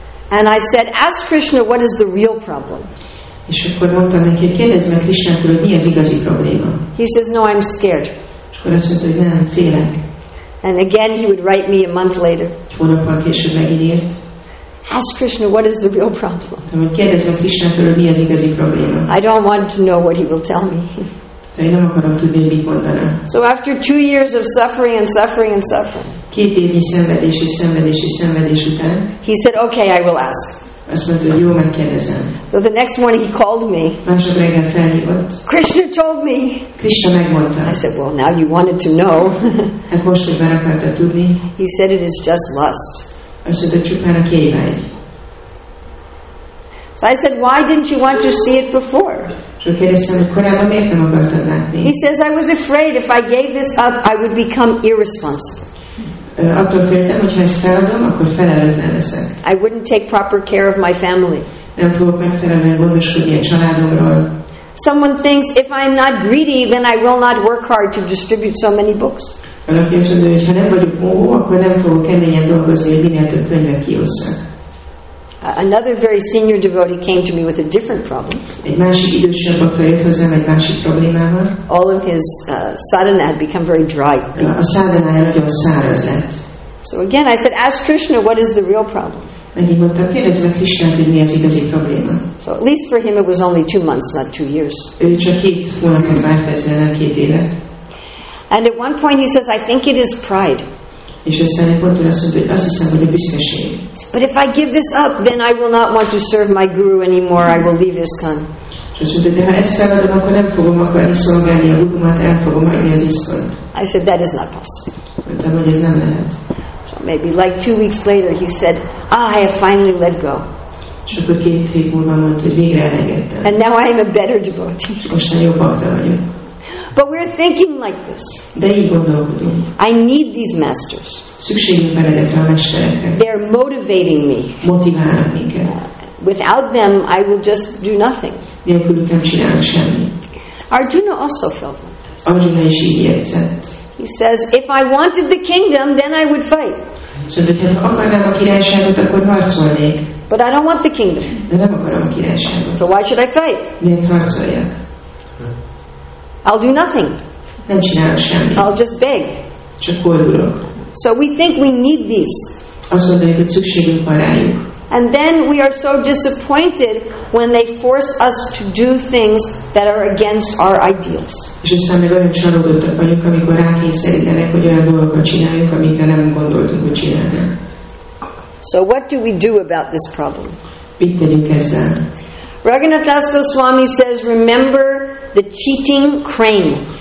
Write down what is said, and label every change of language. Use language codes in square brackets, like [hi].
[en] And I said, ask Krishna, what is the real problem? [hu] És akkor mondtam neki, hogy kérdezz meg Krisnától, hogy mi az igazi probléma. [en] He says, no, I'm scared. [hu] És akkor azt mondta, hogy nem, félek. [en] And again he would write me a month later. [hu] Hónapban később megírt. [en] Ask Krishna, what is the real problem? [hu] Kérdezz meg Krisnától, hogy mi az igazi probléma. [en] I don't want to know what he will tell me. [hu] De én nem akarom tudni, mit mondaná. [en] So after 2 years of suffering and suffering and suffering. [hu] Két évnyi szenvedés és szenvedés és szenvedés után. [en] He said, okay, I will ask. So the next morning he called me. Krishna told me. [hu] Krishna megmondta. [en] I said, well, now you wanted to know. He said, it is just lust. So I said, why didn't you want to see it before? He says, I was afraid if I gave this up, I would become irresponsible. [hu] Attól féltem, hogyha ezt feladom, akkor felelőtlen leszek. [en] I wouldn't take proper care of my family. [hu] Nem fogok megfelelően gondoskodni a családomról. [en] Someone thinks, if I'm not greedy, then I will not work hard to distribute so many books. [hu] Valaki azt mondja, hogy ha nem vagyok óvó, akkor nem fogok keményen dolgozni, hogy minél több könyvet kiosszak. [en] Another very senior devotee came to me with a different problem. [hu] Egy másik idősebb doktor jött hozzám egy másik problémával. [en] All of his sadhana had become very dry. [hu] A sadhanája nagyon száraz lett. [en] So again, I said, ask Krishna, what is the real problem? [hu] Megint mondtam, kérdezz meg Krishnát, hogy mi az igazi probléma. [en] So at least for him it was only 2 months, not 2 years. [hu] Ő csak 2 hónapot várt ezzel, nem 2 évet. [en] And at one point he says, I think it is pride. [hu] És aztán egy ponton azt mondta, hogy azt hiszem, hogy a büszkeség. [en] But if I give this up, then I will not want to serve my guru anymore. I will leave ISKCON. [hu] És azt mondta, de ha ezt feladom, akkor nem fogom akarni szolgálni a gurumat, el fogom adni az ISKCON. [en] I said, that is not possible. [hu] Mondtam, hogy ez nem lehet. [en] So maybe like 2 weeks later, he said, ah, I have finally let go. [hu] És akkor 2 hét múlva mondta, hogy végre elengedtem. [en] And now I am a better devotee. [hu] Most már jobb bhakta vagyok. [en] But we're thinking like this. [hu] De így gondolkodunk. [en] I need these masters. [hu] Szükségünk van ezekre a mestereknek. [en] They're motivating me. [hu] Motiválnak minket. [en] Without them, I will just do nothing. [hu] Nélkülük nem csinálunk semmit. [en] Arjuna also felt like this. [hu] Arjuna is így érzett. [en] He says, if I wanted the kingdom, then I would fight. [hu] So, de ha akarnám a királyságot, akkor harcolnék. [en] But I don't want the kingdom. [hu] De nem akarom a királyságot. [en] So why should I fight? [hu] Miért harcoljak? [en] I'll do nothing. [hu] Nem csinálok semmit. [en] I'll just beg. [hu] Csak kordulok. [en] So we think we need these. [hu] Azt mondjuk, hogy szükségünk van rájuk. [en] And then we are so disappointed when they force us to do things that are against our ideals. [hu] És aztán még olyan csalódottak vagyunk, amikor rákényszerítenek, hogy olyan dolgokat csináljuk, amikre nem gondoltunk, hogy csinálnánk. [en] So what do we do about this problem? [hu] Mit tegyünk ezzel? [en] Raghunath Das Goswami says, remember the cheating crane.